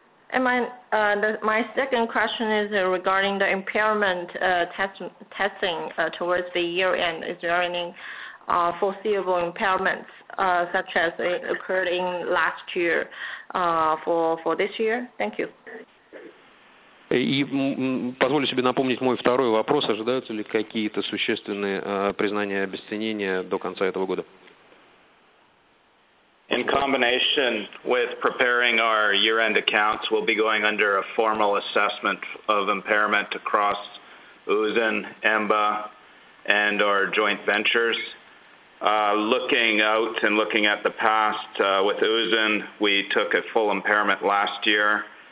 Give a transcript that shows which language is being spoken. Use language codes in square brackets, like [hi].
[en] And my second question is regarding the impairment testing towards the year end. Is there any foreseeable impairments such as it occurred in last year for this year? Thank you. [ru] И позволю себе напомнить мой второй вопрос. Ожидаются ли какие-то существенные признания обесценения до конца этого года? [en] In combination with preparing our year-end accounts, we'll be going under a formal assessment of impairment across Uzin, Emba, and our joint ventures. Looking out and looking at the past, with Uzin, we took a full impairment last year.